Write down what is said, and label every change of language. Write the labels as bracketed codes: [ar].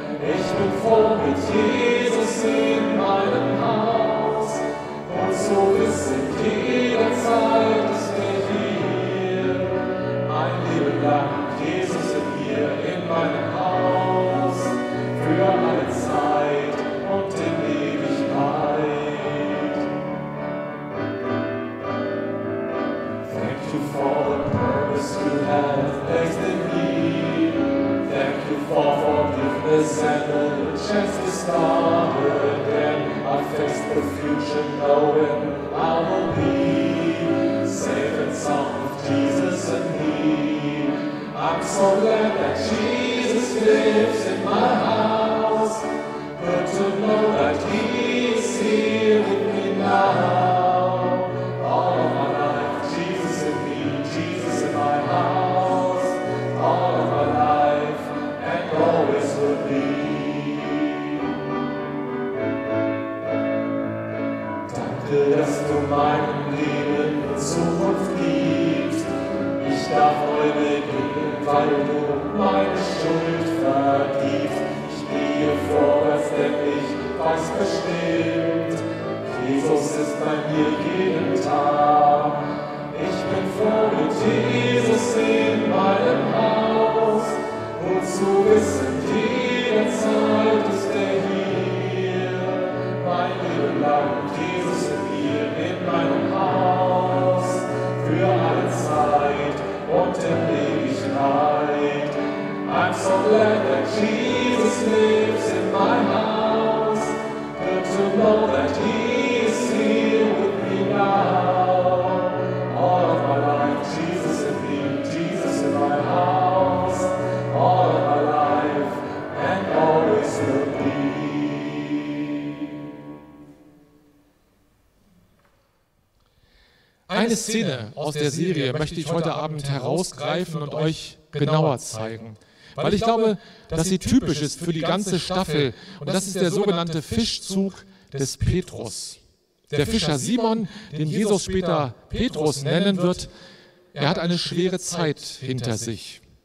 [de] Ich bin froh mit Jesus in meinem Haus und so ist in jeder Zeit es mir hier. Mein Leben lang Jesus in mir, in meinem Haus, für alle Zeit und in Ewigkeit. [en] Thank you for the purpose you have placed in me. Thank you for forgiveness and the chance to start again. I face the future knowing I will be safe and sound with Jesus in me. I'm so glad that Jesus lives in my house. Good to know that He is here with me now. All of my life, Jesus in me, Jesus in my house. All of my life, and always will be. [de] Danke, dass du meinem Leben Zukunft gibst. Ich darf neu beginnen, weil du meine Schuld vergibst. Ich gehe vorwärts, denn ich weiß bestimmt, Jesus ist bei mir jeden Tag. Ich bin froh mit Jesus in meinem Haus und zu wissen, jede Zeit ist er hier. Mein Leben lang Jesus in mir, in meinem Haus, für alle Zeit und im Leben. [en] I'm so glad that Jesus lives in my house. Good to know that He is here with me now. All of my life, Jesus in me, Jesus in my house. All of my life, and always will be. [de] Eine Szene aus der Serie möchte ich heute Abend herausgreifen und euch genauer zeigen, weil ich glaube, dass sie typisch ist für die ganze Staffel, und das ist der sogenannte Fischzug des Petrus. Der Fischer Simon, den Jesus später Petrus nennen wird, er hat eine schwere Zeit hinter sich.